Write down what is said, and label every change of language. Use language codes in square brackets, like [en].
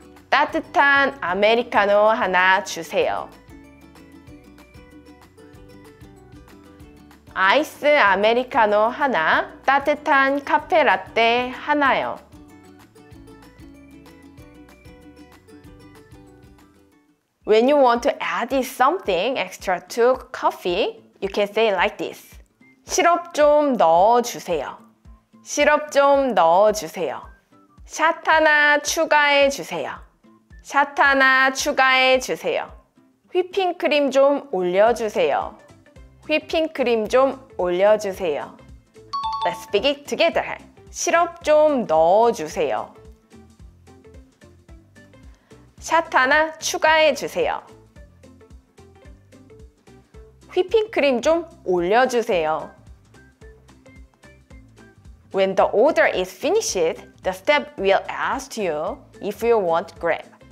[ko] 따뜻한 아메리카노 하나 주세요. 아이스 아메리카노 하나, 따뜻한 카페라떼 하나요. [en] When you want to add something extra to coffee, you can say like this. [ko] 시럽 좀 넣어주세요. 시럽 좀 넣어주세요. 샷 하나 추가해 주세요. 샷 하나 추가해 주세요. 휘핑크림 좀 올려주세요. 휘핑크림 좀 올려주세요. [en] Let's speak it together. [ko] 시럽 좀 넣어주세요. 샷 하나 추가해 주세요. 휘핑크림 좀 올려주세요. [en] When the order is finished, the staff will ask you if you want grab.